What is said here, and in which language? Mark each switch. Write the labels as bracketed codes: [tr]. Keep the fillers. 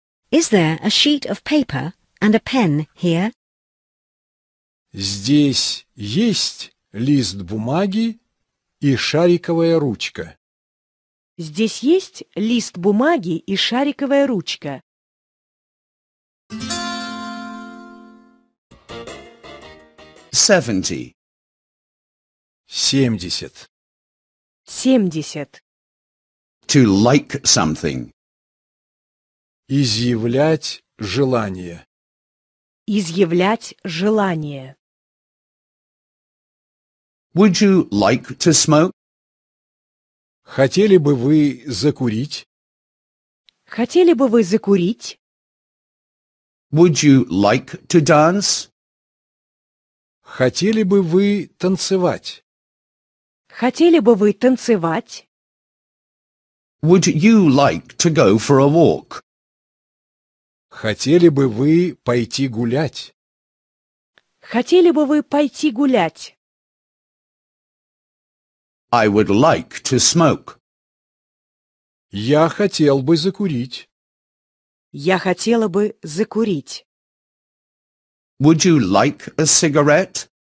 [en] Is there a sheet of paper and a pen here? [ru] Здесь есть лист бумаги и шариковая ручка. Здесь есть лист бумаги и шариковая ручка. [en] Seventy. [ru] Семьдесят. Семьдесят. [en] To like something. [ru] Изъявлять желание. Изъявлять желание. [en] Would you like to smoke? [ru] Хотели бы вы закурить? Хотели бы вы закурить? [en] Would you like to dance? [ru] Хотели бы вы танцевать? Хотели бы вы танцевать? [en] Would you like to go for a walk? [ru] Хотели бы вы пойти гулять? Хотели бы вы пойти гулять? [en] I would like to smoke. [ru] Я хотел бы закурить. Я хотела бы закурить. [en] Would you like a cigarette?